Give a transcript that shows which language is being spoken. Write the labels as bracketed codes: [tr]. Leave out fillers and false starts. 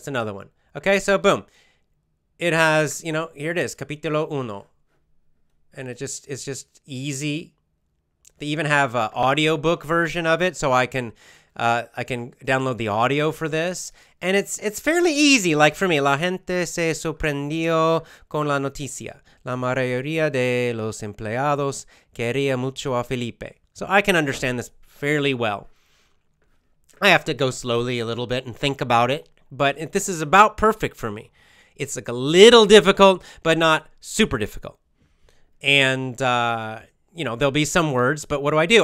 [en] That's another one. Okay, so boom. It has, you know, here it is, Capítulo Uno. And it's just easy. They even have an audiobook version of it, so I can download the audio for this. And it's fairly easy, like for me. [es] La gente se sorprendió con la noticia. La mayoría de los empleados quería mucho a Felipe. [en] So I can understand this fairly well. I have to go slowly a little bit and think about it, but this is about perfect for me. It's like a little difficult, but not super difficult. And you know, there'll be some words, but what do?